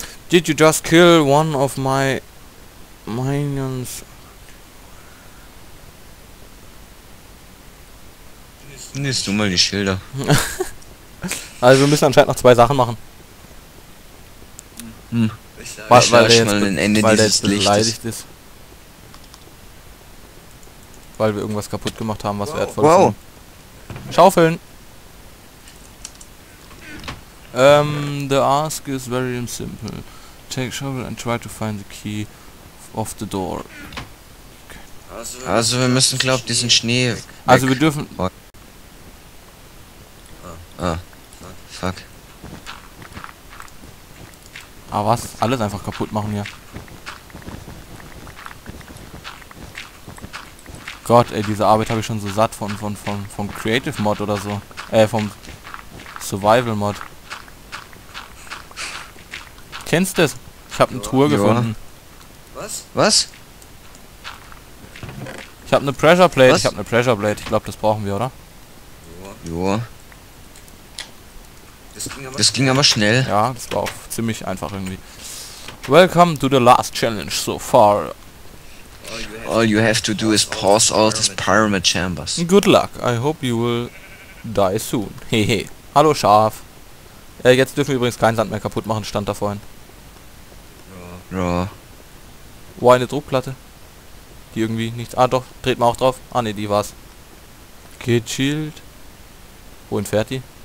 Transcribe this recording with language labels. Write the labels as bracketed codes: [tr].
[en] Did you just kill one of my minions? [de] Nimmst du mal die Schilder. Also wir müssen anscheinend noch zwei Sachen machen. Hm. Ich weil der jetzt ein Ende weil dieses Lichtes beleidigt ist. Weil wir irgendwas kaputt gemacht haben, was wertvoll ist. Wow. Schaufeln. [en] The ask is very simple. Take shovel and try to find the key of the door. Okay. [de] Also wir müssen, glaub, diesen Schnee weg. Also wir dürfen... Ah. Fuck. Ah, was? Alles einfach kaputt machen hier. Gott, ey, diese Arbeit habe ich schon so satt von Creative Mod oder so. Vom Survival Mod. Kennst du das? Ich habe eine Truhe gefunden. Was? Was? Ich habe eine Pressure Plate. Was? Ich habe eine Pressure Plate. Ich glaube, das brauchen wir, oder? Joa. Das ging aber schnell. Ja, das war auch ziemlich einfach irgendwie. [en] Welcome to the last challenge so far. All you have to do is pause all these pyramid chambers. Good luck. I hope you will die soon. Hehe. [de] Hallo Schaf. Jetzt dürfen wir übrigens keinen Sand mehr kaputt machen, stand da vorhin. Ja. Wo eine Druckplatte? Die irgendwie nichts. Ah doch, dreht mal auch drauf. Ah ne, die war's. Gechillt. Wohin fährt die?